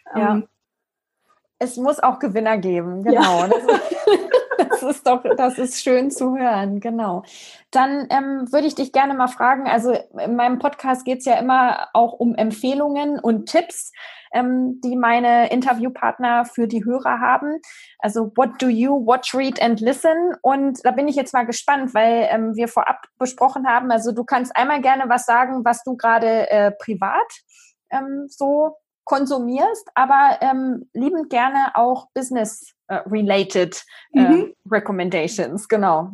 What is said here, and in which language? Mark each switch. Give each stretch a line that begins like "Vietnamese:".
German: ja. Es muss auch Gewinner geben, genau. Ja. Das ist schön zu hören, genau. Dann würde ich dich gerne mal fragen, also in meinem Podcast geht es ja immer auch um Empfehlungen und Tipps, die meine Interviewpartner für die Hörer haben.
English: Also what do you watch, read and listen?
German: Und da bin ich jetzt mal gespannt, weil wir vorab besprochen haben, also du kannst einmal gerne was sagen, was du gerade privat so konsumierst, aber liebend gerne auch
English: Business-related Recommendations,
German: genau.